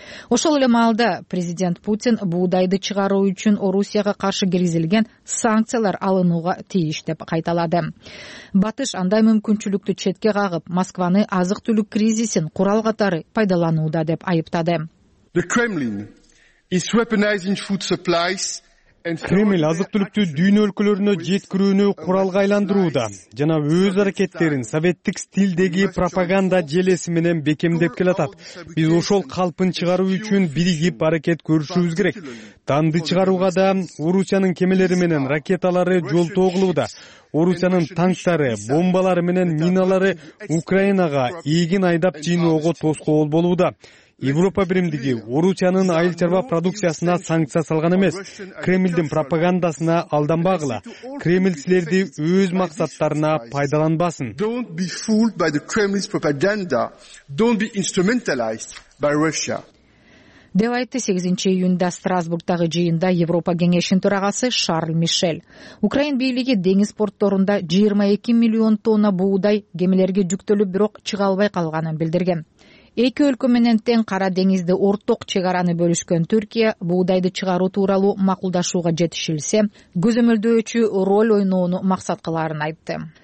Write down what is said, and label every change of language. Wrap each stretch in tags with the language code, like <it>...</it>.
<ky>Ошол эле маалда президент Путин буудайды чыгаруу үчүн Орусияга каршы киргизилген санкциялар алынууга тийиш деп кайталады. Батыш андай мүмкүнчүлүктү четке кагып, Москваны азык-түлүк кризисин курал катары пайдаланууда деп айыптады.</ky> <en>The Kremlin is weaponizing food supplies and Kremlin</en> <ky>азык-түлүктү дүйнө өлкөлөрүнө жеткирүүнү куралга айландырууда жана өз аракеттерин советтик стилдеги пропаганда желеси менен бекемдеп келатат. Биз ошол калпын чыгаруу үчүн биригип аракет көрүшүбүз керек. Данды чыгарууга да Орусиянын кемелери менен ракеталары жол тогулууда. Орусиянын танктары, бомбалары менен миналары Украинага эгин айдап жыйноого тоскоол болууда. Европа биримдиги Орусиянын айыл чарба продукциясына санкция салган эмес. Кремлдин пропагандасына алданбагыла. Кремль силерди өз максаттарына пайдаланбасын.</ky> <en>Don't be fooled by the Kremlin's propaganda. Don't be instrumentalized by Russia.</en> <ky>Деп айтты 8 июнда Страсбургтагы жыйында Европа кеңешинин төрагасы Шарль Мишель. Украин бийлиги деңиз портторунда 22 миллион тонна буудай кемелерге жүктөлүп, бирок чыга албай калганын билдирген. Эки өлкө менен тең кара деңизди орток чек араны бөлүшкөн Түркия буудайды чыгаруу тууралуу макулдашууга жетишилсе, көзөмөлдөөчү роль ойноону максат кыларын айтты.</ky>